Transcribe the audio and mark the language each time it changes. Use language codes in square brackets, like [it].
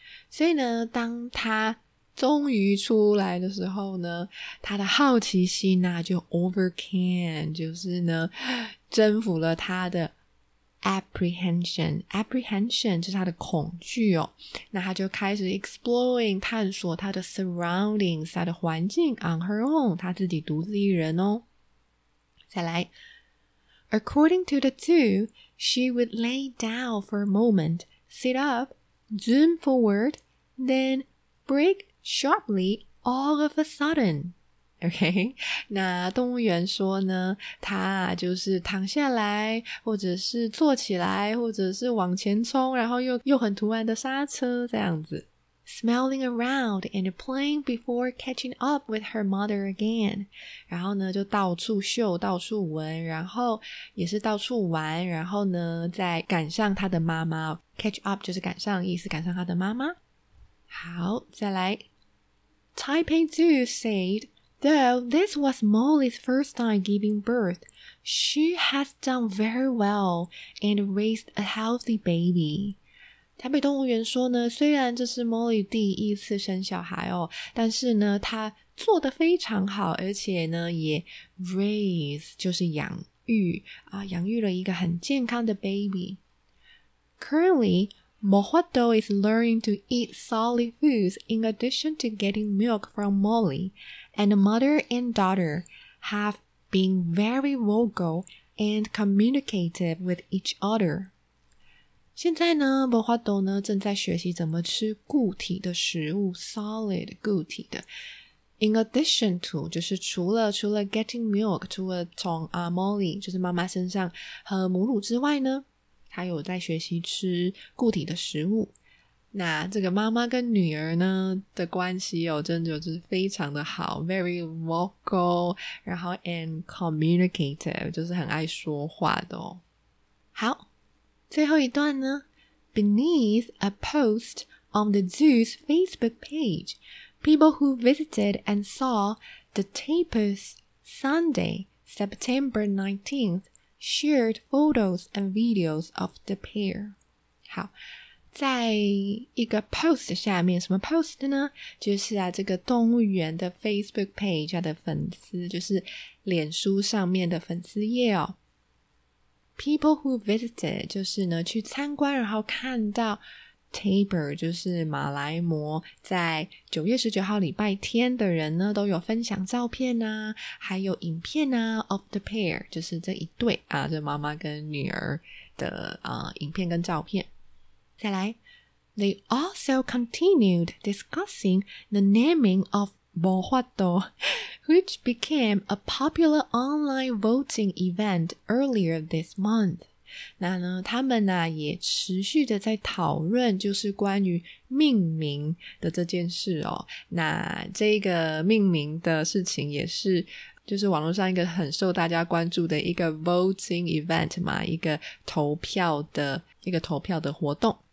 [zh] 所以呢，当他终于出来的时候呢，他的好奇心啊就 overcame, 就是呢征服了他的 apprehension 就是他的恐惧哦，那他就开始 exploring, 探索他的 surroundings, 他的环境 [en] on her own, [zh] 他自己独自一人哦。 [en] 再来 ,According to the zoo, she would lay down for a moment, sit up, zoom forward, then break,Sharply, all of a sudden. [zh] OK, 那动物园说呢，他就是躺下来，或者是坐起来，或者是往前冲，然后又很突然的刹车，这样子。 [en] Smelling around and playing before catching up with her mother again. [zh] 然后呢，就到处嗅，到处闻，然后也是到处玩，然后呢，再赶上他的妈妈。 Catch up 就是赶上，意思赶上他的妈妈。好，再来。 [en] Taipei Zoo said, though this was Molly's first time giving birth, she has done very well and raised a healthy baby. [zh] 台北动物园说呢，虽然这是 Molly 第一次生小孩哦，但是呢，她做得非常好，而且呢，也 raise 就是养育啊，养育了一个很健康的 baby. [en] Currently,Mojado is learning to eat solid foods in addition to getting milk from Molly, and mother and daughter have been very vocal and communicative with each other. [zh] 现在呢 Mojado 呢正在学习怎么吃固体的食物 solid 固体的 [en] in addition to [zh] 就是除了 [en] getting milk [zh] 除了从Molly 就是妈妈身上喝母乳之外呢她有在学习吃固体的食物。那这个妈妈跟女儿呢的关系哦，真的就是非常的好 ， [en] very vocal， [zh] 然后 [en] and communicative， [zh] 就是很爱说话的哦。好，最后一段呢 [en] ，Beneath a post on the zoo's Facebook page, people who visited and saw the tapirs Sunday, September 19th, shared photos and videos of the pair. [zh] 好。在一个 post 下面，什么 post 呢？就是啊，这个动物园的 Facebook page 的粉丝，就是脸书上面的粉丝页哦。 [en] People who visited [zh] 就是呢去参观，然后看到 tapir 就是马来貘，在9月19号礼拜天的人呢都有分享照片啊，还有影片啊 [en] of the pair， [zh] 就是这一对啊，这妈妈跟女儿的影片跟照片。再来 [en] ，They also continued discussing the naming of Bohwato, which became a popular online voting event earlier this month. [zh] 那呢，他们呢、啊、也持续的在讨论，就是关于命名的这件事哦。那这个命名的事情也是，就是网络上一个很受大家关注的一个 voting event 嘛，一个投票的活动。